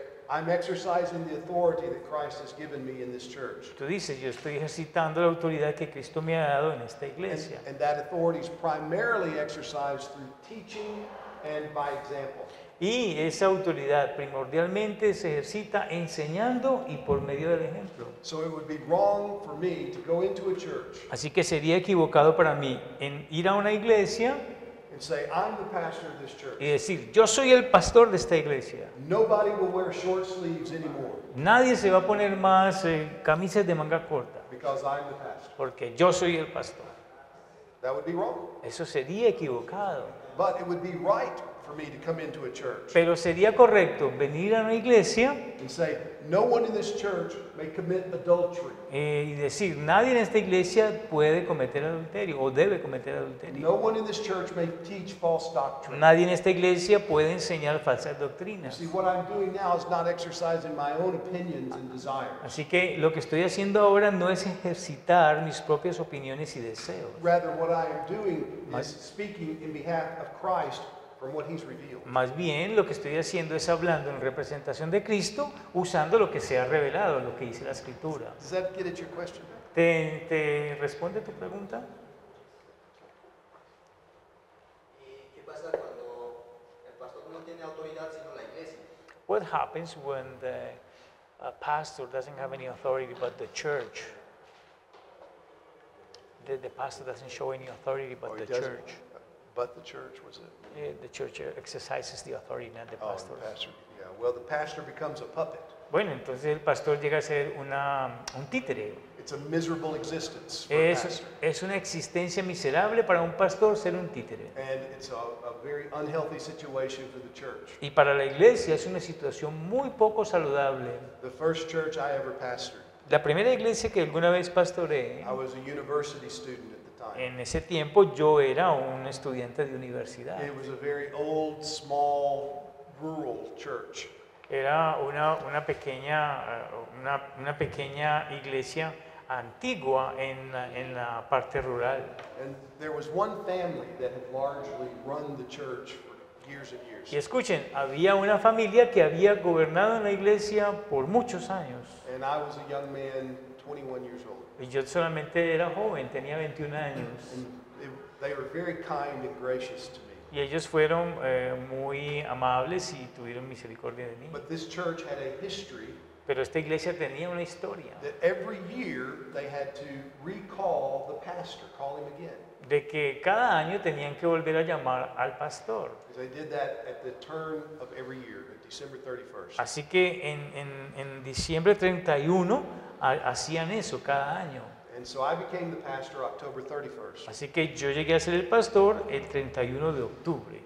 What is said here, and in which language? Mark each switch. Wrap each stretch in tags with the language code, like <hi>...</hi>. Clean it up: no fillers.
<en>I'm exercising the authority that Christ has given me in this church.</en> <es>Tú dices, yo estoy ejercitando la autoridad que Cristo me ha dado en esta iglesia.</es> <en>And that authority is primarily exercised through teaching and by example.</en> <es>Y esa autoridad primordialmente se ejercita enseñando y por medio del ejemplo.</es> <en>So it would be wrong for me to go into a church.</en> <es>Así que sería equivocado para mí en ir a una iglesia.</es> <en>And say, "I'm the pastor of this church."</en> <es>Y decir, yo soy el pastor de esta iglesia.</es> <en>Nobody will wear short sleeves anymore.</en> <es>Nadie se va a poner más camisas de manga corta.</es> <en>Because I'm the pastor.</en> <es>Porque yo soy el pastor.</es> <en>That would be wrong.</en> <es>Eso sería equivocado.</es> <en>But it would be right for me to come into a church.</en> <es>Pero sería correcto venir a una iglesia.</es> <en>And say, "No one in this church may commit adultery."</en> <es>Y decir, nadie en esta iglesia puede cometer adulterio o debe cometer adulterio.</es> <en>No one in this church may teach false doctrine.</en> <es>Nadie en esta iglesia puede enseñar falsas doctrinas.</es> <en>See, what I'm doing now is not exercising my own opinions and desires.</en> <es>Así que lo que estoy haciendo ahora no es ejercitar mis propias opiniones y deseos.</es> <en>Rather, what I am doing is speaking in behalf of Christ. From what he's revealed.</en> <es>Más bien, lo que estoy haciendo es hablando en representación de Cristo, usando lo que se ha revelado, lo que dice la Escritura.</es> <en>Does that get at your question?</en> <es>¿Te responde tu pregunta? ¿Y qué pasa cuando el pastor no tiene autoridad sino la iglesia?</es> <en>What happens when the pastor doesn't have any authority but the church? The pastor doesn't show any authority but the church. But the church, was it? Yeah, the church exercises the authority, not the pastor. Oh, the pastor. Yeah. Well, the pastor becomes a puppet.</en> <es>Bueno, entonces el pastor llega a ser un títere.</es> <en>It's a miserable existence for</en> <es>es,</es> <en>a pastor.</en> <es>Es una existencia miserable para un pastor ser un títere.</es> <en>And it's a very unhealthy situation for the church.</en> <es>Y para la iglesia es una situación muy poco saludable.</es> <en>The first church I ever pastored.</en> <es>La primera iglesia que alguna vez pastoreé.</es> <en>I was a university student.</en> <es>En ese tiempo yo era un estudiante de universidad.</es> <en>It was a very old, small, rural church.</en> <es>Era una pequeña iglesia antigua en la parte rural.</es> <en>And there was one family that had largely run the church for years and years.</en> <es>Y escuchen, había una familia que había gobernado en la iglesia por muchos años.</es> <en>And I was a young man, 21 years old.</en> <es>Y yo solamente era joven, tenía 21 años.</es> <en>They were very kind and gracious to me.</en> <es>Y ellos fueron muy amables y tuvieron misericordia de mí.</es> <en>But this church had a history.</en> <es>Pero esta iglesia tenía una historia.</es> <en>That every year they had to recall the pastor, call him again.</en> <es>De que cada año tenían que volver a llamar al pastor.</es> <en>They did that at the turn of every year, at December 31st.</en> <es>Así que en diciembre 31 hacían eso cada año.</es> <en>And so I became the pastor October 31st.</en> <es>Así que yo llegué a ser el pastor el 31 de octubre.</es>